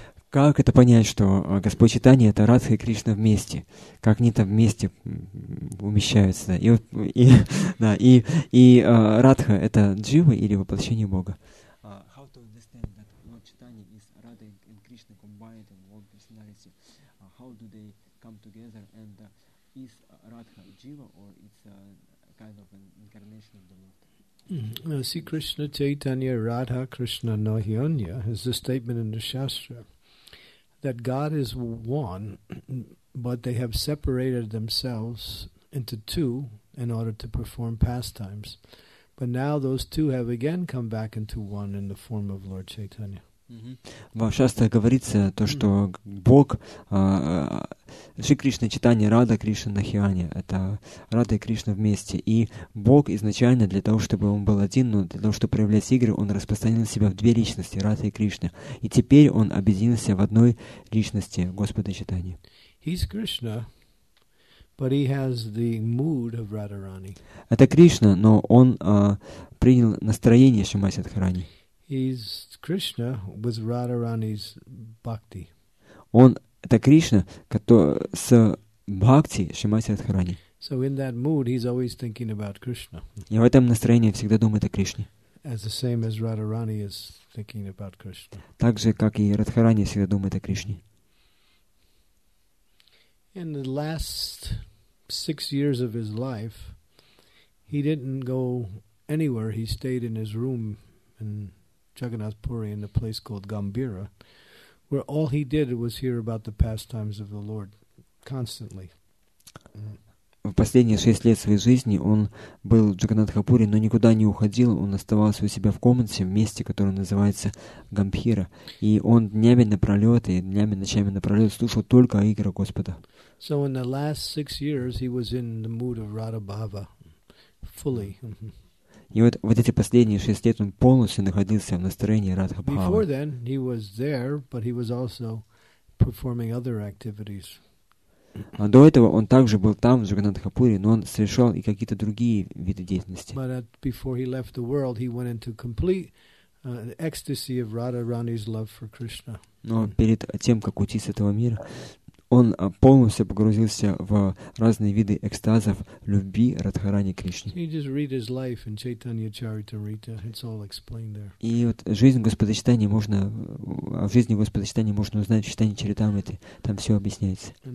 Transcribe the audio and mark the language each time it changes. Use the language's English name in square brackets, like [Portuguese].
[Russian] Как это понять, что Господь Читания — это Радха и Кришна вместе? Как они там вместе умещаются? И Радха — это джива или воплощение Бога? [English] How to understand that Lord Chaitanya is Radha and Krishna combined in one personality? How do they come together? And is Radha jiva or it's a kind of an incarnation of the Lord? See, Krishna Chaitanya Radha Krishna Nahyanya is the statement in the Shastra that God is one, but they have separated themselves into two in order to perform pastimes. But now those two have again come back into one in the form of Lord Chaitanya. [Russian] Вам часто говорится то, что Бог, Шри Кришна, Читания, Рада Кришна, Нахиани, это Рада и Кришна вместе. И Бог изначально для того, чтобы он был один, но для того, чтобы проявлять игры, он распространил себя в две личности, Рада и Кришна. И теперь он объединился в одной личности, Господа Читания. [English] He's Krishna, but he has the mood of Radharani. [Russian] Это Кришна, но он принял настроение Шримати Радхарани. [English] He's Krishna with Radharani's bhakti. [Russian] Он это Кришна, который с бхакти Шримати Радхарани. [English] So in that mood, he's always thinking about Krishna. [Russian] И в этом настроении всегда думает о Кришне. [English] As the same as Radharani is thinking about Krishna. [Russian] Так же, как и Радхарани всегда думает о Кришне. [English] In the last 6 years of his life, he didn't go anywhere. He stayed in his room and Jagannath Puri in a place called Gambira, where all he did was hear about the pastimes of the Lord constantly. [Russian] В последние 6 лет своей жизни он был в Джаганатхапуре, но никуда не уходил, он оставался у себя в комнате, в месте, которое называется Гамбхира. И он днями напролёт и днями, ночами напролёт слушал только о играх Господа. [English] So in the last 6 years he was in the mood of Radha Bhava fully. [Russian] И вот, вот эти последние 6 лет он полностью находился в настроении Радха Бхавы. [English] Before then, he was there, but he was also performing other activities. [Russian] А до этого он также был там, в Джаганатхапуре, но он совершал и какие-то другие виды деятельности. [English] But before he left the world, he went into complete ecstasy of Radharani's love for Krishna. [Russian] Но перед тем, как уйти с этого мира, он полностью погрузился в разные виды экстазов любви Радхарани Кришне. И вот жизнь Господа Читания можно, о жизни Господа Читания можно узнать в Читании Чаритамриты, там все объясняется.